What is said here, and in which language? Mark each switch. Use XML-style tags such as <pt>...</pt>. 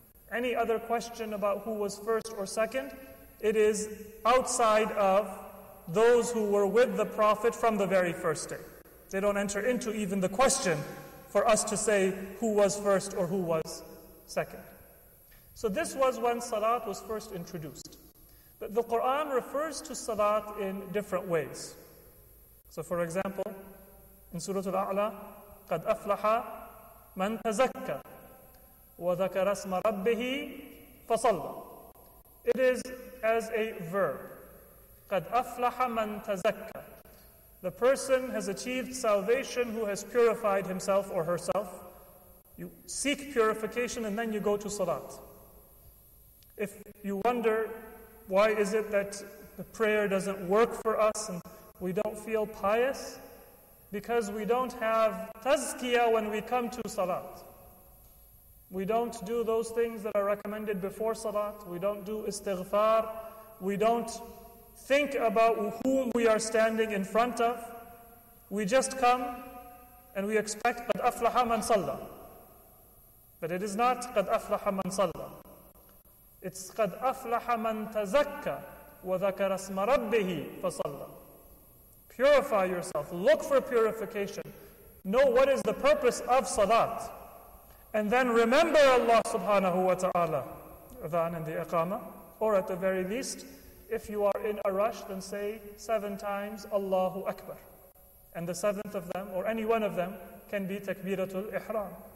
<en>Any other question about who was first or second, it is outside of those who were with the Prophet from the very first day. They don't enter into even the question for us to say who was first or who was second. So this was when Salat was first introduced. But the Quran refers to Salat in different ways. So for example, in Surah Al-A'la,</en> <ar>قَدْ أَفْلَحَ مَنْ تَزَكَّى وَذَكَرَ اسْمَ رَبِّهِ فَصَلَّى.</ar> <en>It is as a verb.</en> <ar>قَدْ أَفْلَحَ مَنْ تَزَكَّى.</ar> <en>The person has achieved salvation who has purified himself or herself. You seek purification and then you go to Salat. If you wonder, why is it that the prayer doesn't work for us and we don't feel pious? Because we don't have tazkiyah when we come to Salat. We don't do those things that are recommended before Salat. We don't do istighfar. We don't think about whom we are standing in front of. We just come and we expect</en> <ar>قَدْ أَفْلَحَ مَنْ صَلَّى.</ar> <en>But it is not</en> <ar>قَدْ أَفْلَحَ مَنْ صَلَّى. It's قَدْ أَفْلَحَ مَنْ تَزَكَّى وَذَكَرَ اسْمَ رَبِّهِ فَصَلَّى.</ar> <en>Purify yourself. Look for purification. Know what is the purpose of Salat. And then remember Allah subhanahu wa ta'ala. Adhan and the Iqamah. Or at the very least, if you are in a rush, then say seven times Allahu Akbar. And the seventh of them, or any one of them, can be Takbiratul Ihram.</en>